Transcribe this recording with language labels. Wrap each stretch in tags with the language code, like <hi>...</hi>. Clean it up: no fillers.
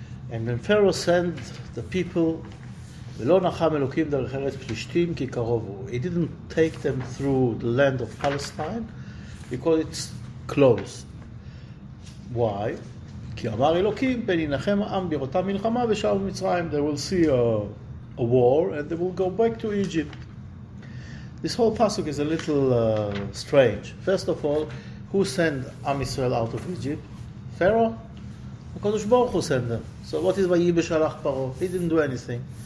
<en>And when Pharaoh sent the people,</en> <he>ולא נחם אלוקים דרך ארץ פלישתים כי קרוב הוא.</he> <en>He didn't take them through the land of Palestine because it's close. Why?</en> <he>כי אמר אלוקים, פן ינחם העם בראותם מלחמה ושאר במצרים.</he> <en>They will see a war and they will go back to Egypt. This whole pasuk is a little strange. First of all, who sent Am Yisrael out of Egypt? Pharaoh. HaKadosh Baruch Hu sent them. So what is Vayi B'Shalach Paro? He didn't do anything.</en>